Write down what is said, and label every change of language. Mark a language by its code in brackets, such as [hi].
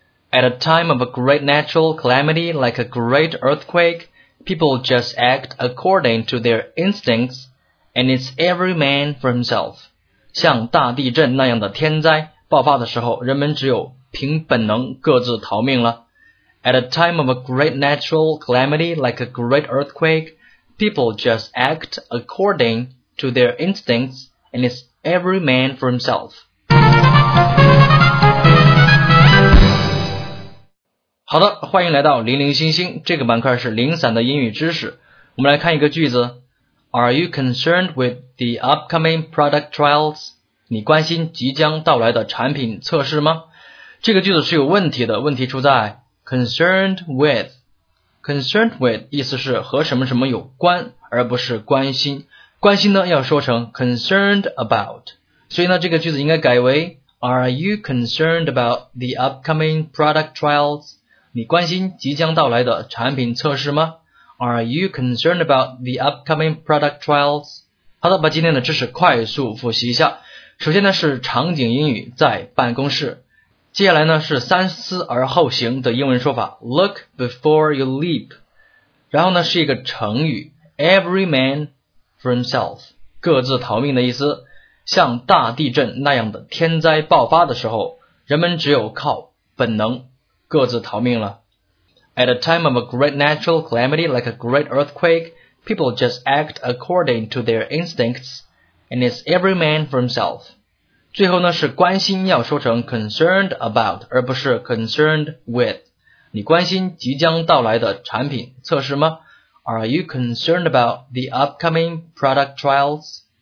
[en] At a time of a great natural calamity like a great earthquake, people just act according to their instincts, and it's every man for himself. [zh] 像大地震那样的天灾爆发的时候，人们只有凭本能各自逃命了。 [en] At a time of a great natural calamity like a great earthquake, people just act according to their instincts, and it's every man for himself. [zh] 好的，欢迎来到零零星星，这个板块是零散的英语知识。我们来看一个句子。 [en] Are you concerned with the upcoming product trials? [zh] 你关心即将到来的产品测试吗？这个句子是有问题的，问题出在 concerned with。 concerned with 意思是和什么什么有关，而不是关心。关心呢要说成 concerned about。所以呢这个句子应该改为 [en] Are you concerned about the upcoming product trials? [zh] 你关心即将到来的产品测试吗？ [en] Are you concerned about the upcoming product trials? [zh] 好的，把今天的知识快速复习一下。首先呢是场景英语，在办公室。接下来呢是三思而后行的英文说法 [en] Look before you leap。 [zh] 然后呢是一个成语 [en] Every man for himself， [zh] 各自逃命的意思。像大地震那样的天灾爆发的时候，人们只有靠本能各自逃命了。 [en] At a time of a great natural calamity like a great earthquake, people just act according to their instincts, and it's every man for himself. [zh] 最后呢是关心要说成 concerned about, 而不是 concerned with. 你关心即将到来的产品测试吗？ [en] Are you concerned about the upcoming product trials?